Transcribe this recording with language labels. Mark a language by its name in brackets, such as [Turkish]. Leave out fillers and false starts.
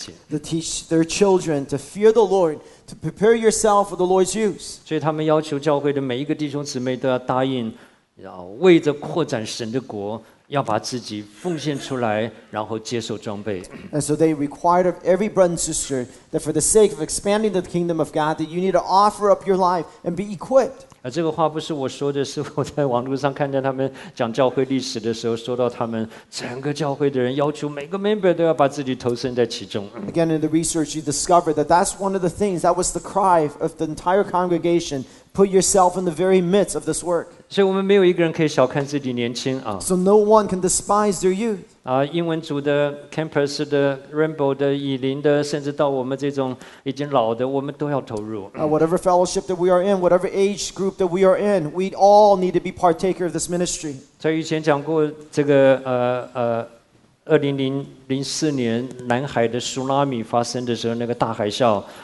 [English] To teach their children to fear the Lord, to prepare yourself for the Lord's use. [Chinese] 所以他们要求教会的每一个弟兄姊妹都要答应，为着扩展神的国。要把自己奉献出来，然后接受装备。 [English] And so they required of every brother and sister that for the sake of expanding the kingdom of God, that you need to offer up your life and be equipped. [Chinese] 这个话不是我说的，是我在网络上看见他们讲教会历史的时候，说到他们整个教会的人要求每个 member 都要把自己投身在其中。 [English] Again, in the research, you discovered that that's one of the things that was the cry of the entire congregation. Put yourself in the very midst of this work. So no one can despise their youth. [Chinese] 英文组的 campus 的 rainbow 的以琳的 甚至到我们这种已经老的 我们都要投入。 [English] Whatever fellowship that we are in, whatever age group that we are in, we all need to be partaker of this ministry. [Chinese] 在以前讲过这个 2004年 南海的 tsunami 发生的时候那个大海啸。